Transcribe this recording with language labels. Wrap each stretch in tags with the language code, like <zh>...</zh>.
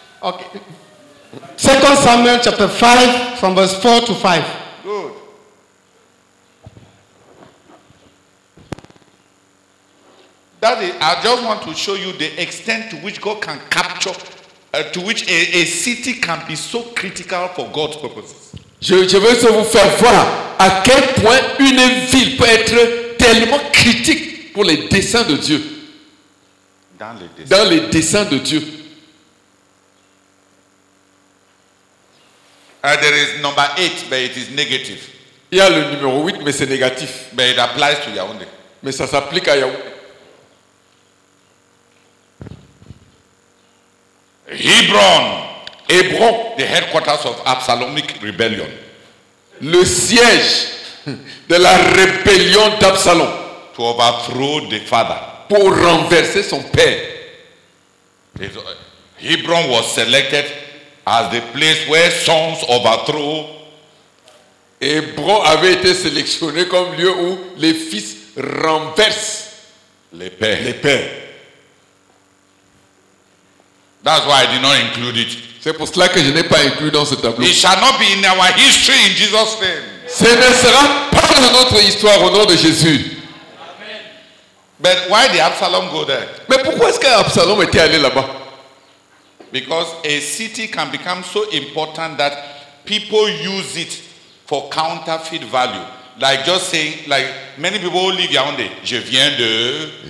<en>Okay. 2 Samuel chapter 5 from verse 4 to 5. Good. Daddy, I just want to show you the extent to which God can capture, to which a city can be so critical for God's purposes.</en> <fr>Je veux juste vous faire voir à quel point une ville peut être tellement critique pour les desseins de Dieu. Dans les desseins de Dieu.</fr> <en>There is number 8, but it is negative.</en> <fr>Il y a le numéro 8, mais c'est négatif.</fr> <en>But it applies to Yaoundé.</en> <fr>Mais ça s'applique à Yaoundé.</fr> <en>Hebron, the headquarters of Absalomic rebellion.</en> <fr>Le siège de la rébellion d'Absalom.</fr> <en>To overthrow the father.</en> <fr>Pour renverser son père.</fr> <en>Hebron was selected as the place where sons overthrow.</en> <fr>Hébron avait été sélectionné comme lieu où les fils renversent les pères. Les pères.</fr> <en>That's why I did not include it.</en> <fr>C'est pour cela que je n'ai pas inclus dans ce tableau.</fr> <en>It shall not be in our history in Jesus' name.</en> <fr>Ce ne sera pas dans notre histoire au nom de Jésus.</fr> <en>Amen. But why did Absalom go there?</en> <fr>Mais pourquoi est-ce qu'Absalom était allé là-bas?</fr> <en>Because a city can become so important that people use it for counterfeit value. Like just saying, like many people who live Yaoundé,</en> <fr>je viens de</fr>